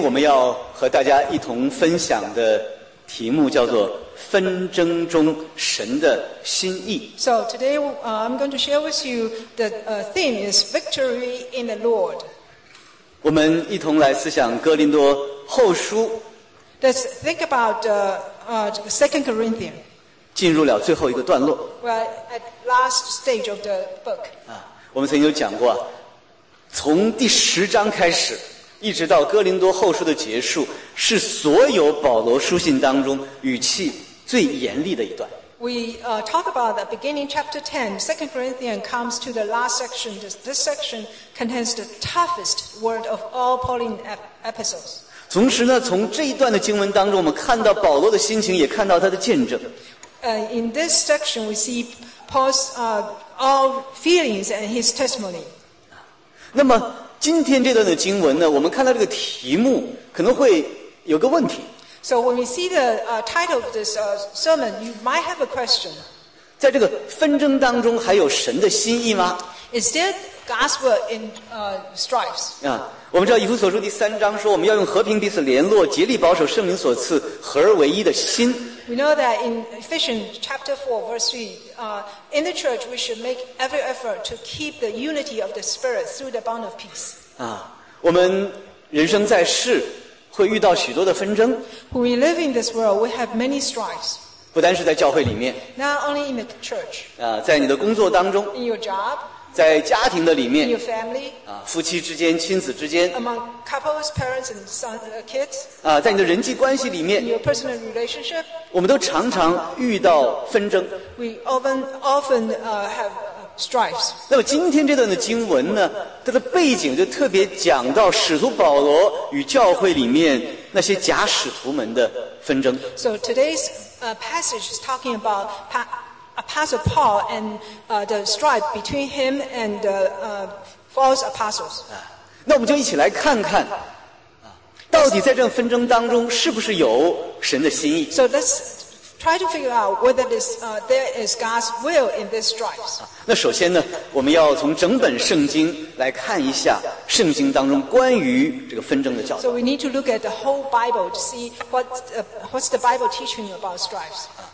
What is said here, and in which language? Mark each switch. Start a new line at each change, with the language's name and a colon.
Chinese: 我们要和大家一同分享的题目叫做纷争中神的心意。
English: So today I'm going to share with you the theme is victory in the Lord.
Chinese: 我们一同来思想哥林多后书。
English: Let's think about Second Corinthians.
Chinese: 进入了最后一个段落。
English: We're at last stage of the book.
Chinese: 我们曾经讲过，从第十章开始一直到哥林多后书的结束，是所有保罗书信当中语气最严厉的一段。
English: We talk about the beginning chapter 10, Second Corinthians comes to the last section. This section contains the toughest word of all Pauline epistles.
Chinese: 同时呢，从这一段的经文当中，我们看到保罗的心情，也看到他的见证。
English: In this section, we see Paul's all feelings and his testimony.
Chinese: 那么今天这段的经文呢，我们看到这个题目可能会有个问题。
English: So when we see the title of this sermon, you might have a question.
Chinese: 在这个纷争当中还有神的心意吗？
English: Is there God's will in strifes?
Chinese: 我们知道以弗所书第三章说，我们要用和平彼此联络，竭力保守圣灵所赐合而为一的心。
English: We know that in Ephesians chapter 4, verse 3, in the church we should make every effort to keep the unity of the Spirit through the bond of peace.
Chinese: 我们人生在世会遇到许多的纷争。
English: When we live in this world, we have many strifes.
Chinese: 不单是在教会里面。
English: Not only in the church.
Chinese: 在你的工作当中。
English: In your job.
Chinese: 在家庭的里面。
English: In your family.
Chinese: 夫妻之间，亲子之间。
English: Among couples, parents and sons, kids.
Chinese: 在你的人际关系里面。
English: In your personal relationship.
Chinese: 我们都常常遇到纷争。
English: We often have strifes.
Chinese: 那么今天这段的经文呢，它的背景就特别讲到使徒保罗与教会里面那些假使徒们的纷争。
English: So today's passage is talking about Apostle Paul and the strife between him and the false apostles.
Chinese: 那我们就一起来看看到底在这纷争当中是不是有神的心意。
English: So let's try to figure out whether this, there is God's will in this strife.
Chinese: 那首先呢，我们要从整本圣经来看一下圣经当中关于这个纷争的教导。
English: So we need to look at the whole Bible to see what's the Bible teaching about strife.